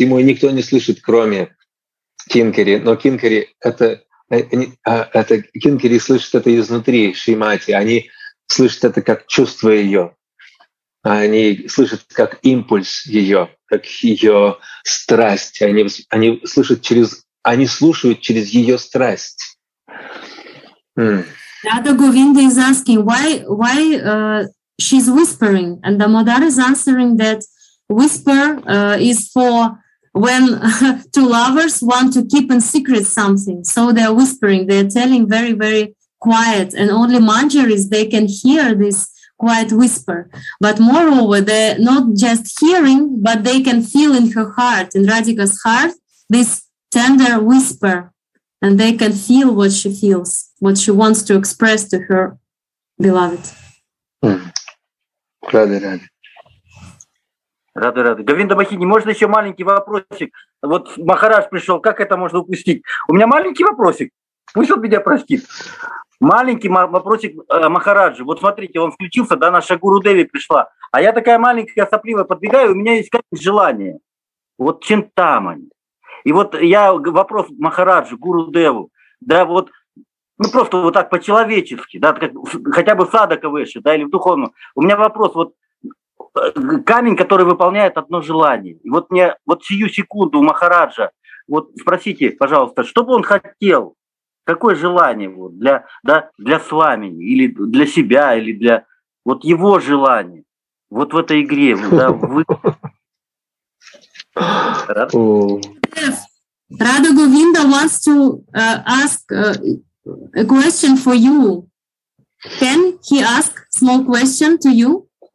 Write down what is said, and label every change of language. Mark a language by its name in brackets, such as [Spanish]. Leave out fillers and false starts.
[Russian] Ему и никто не слышит, кроме кинкари. Но кинкари это кинкари слышат это изнутри, Шримати. Они слышат это как чувство ее. Они слышат как импульс ее, как ее страсть. Они слушают через ее страсть. [English] Radha Govinda is asking why she's whispering, and Damodar is answering that whisper is for when two lovers want to keep in secret something. So they're whispering, they're telling very, very quiet, and only manjaris they can hear this quiet whisper. But moreover, they're not just hearing, but they can feel in her heart, in Radhika's heart, this tender whisper. And they can feel what she feels, what she wants to express to her beloved. [Russian] Рады. Говинда Махини, можно еще маленький вопросик? Вот Махарадж пришел, как это можно упустить? У меня маленький вопросик, пусть он меня простит. Маленький вопросик Махараджи. Вот смотрите, он включился, да, наша Гуру Деви пришла. А я такая маленькая, сопливая, подбегаю, у меня есть какое-то желание. Вот чинтамани. И вот я вопрос Махараджу, Гуру Деву, да, вот, ну просто вот так по-человечески, да, как, хотя бы садака выше, да, или в духовном. У меня вопрос, вот камень, который выполняет одно желание. И вот мне вот сию секунду у Махараджа, вот спросите, пожалуйста, что бы он хотел, какое желание вот, для, да, для свамини, или для себя, или для вот его желания, вот в этой игре, да, вы. [English] Radha Govinda wants to ask a question for you. Can he ask small question to you?